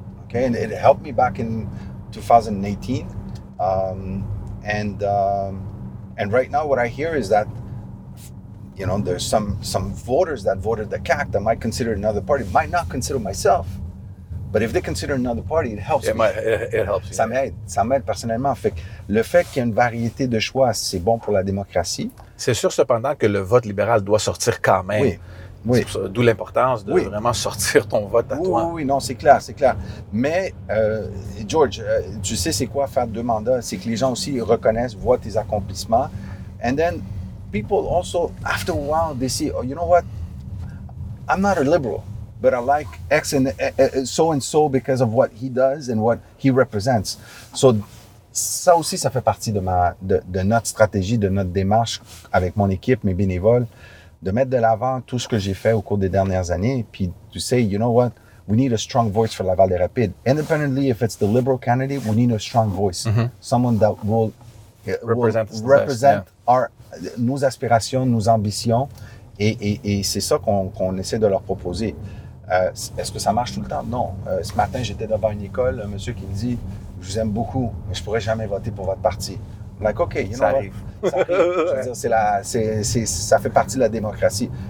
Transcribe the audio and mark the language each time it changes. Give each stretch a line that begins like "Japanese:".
English: Okay, and it helped me back in 2018. And right now what I hear is that, you know, there's some voters that voted the CAQ that might consider another party, might not consider myself. But if they consider another party, it helps. It helps.
French: Ça m'aide personnellement. Fait que le fait qu'il y ait une variété de choix, c'est bon pour la démocratie. C'est sûr cependant que le vote libéral doit sortir quand même. Oui, oui. D'où l'importance de vraiment sortir ton vote à toi. Oui, oui, non, c'est clair. Mais, George, tu sais c'est quoi faire deux mandats? C'est que les gens aussi reconnaissent, voient tes accomplissements.
English: And then people also, after a while, they see, oh, you know what? I'm not a liberal. But I like X and so and so because of what he does and what he represents.
French: So, ça aussi, ça fait partie de notre stratégie, de notre démarche avec mon équipe, mes bénévoles, de mettre de l'avant tout ce que j'ai fait au cours des dernières années.
English: Puis, to say, you know what, we need a strong voice for Laval-Des-Rapides. Independently, if it's the liberal candidate, we need a strong voice. Mm-hmm. Someone that will represent
French: nos aspirations, nos ambitions. Et c'est ça qu'on essaie de leur proposer. Est-ce que ça marche tout le temps? Non. Ce matin, j'étais devant une école, un monsieur qui me dit, je vous aime beaucoup, mais je ne pourrai jamais voter pour votre parti.
English: I'm like, OK, you know what?
French: Ça arrive. Je veux dire, ça fait partie de la démocratie.